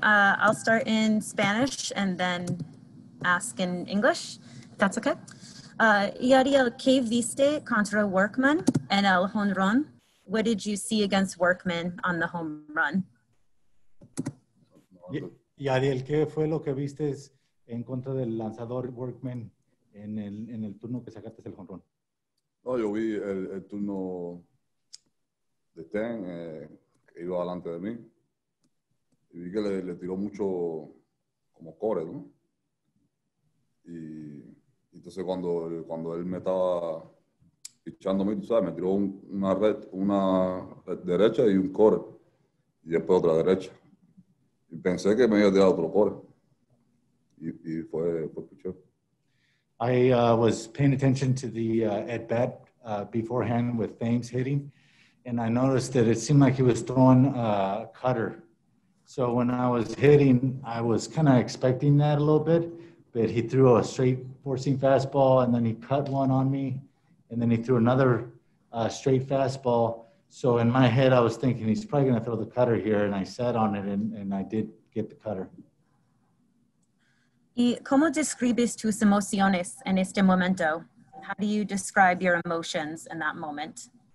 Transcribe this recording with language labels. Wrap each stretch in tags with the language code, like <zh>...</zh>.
<en>I'll start in Spanish and then ask in English. That's okay.</en> <es>Yadiel, ¿qué viste contra Workman en el home run?</es> <en>What did you see against Workman on the home run?</en> <es>Yadiel, ¿qué fue lo que viste en contra del lanzador Workman en el turno que sacaste el home run? No, yo vi el turno de Ten, que iba delante de mí. Y vi que le tiró mucho como core, ¿no? Y entonces cuando él me estaba pichando a mí, tú sabes, me tiró una red derecha y un core. Y después otra derecha. Y pensé que me iba a tirar otro core. Y fue pichó.</es> <en>I was paying attention to the at-bat beforehand with Thames hitting. And I noticed that it seemed like he was throwing a cutter. So when I was hitting, I was kind of expecting that a little bit, but he threw a straight four-seam fastball, and then he cut one on me, and then he threw another straight fastball. So in my head, I was thinking, he's probably going to throw the cutter here, and I sat on it, and I did get the cutter.</en> <es>¿Y cómo describes tus emociones en este momento?</es> <en>How do you describe your emotions in that moment?</en>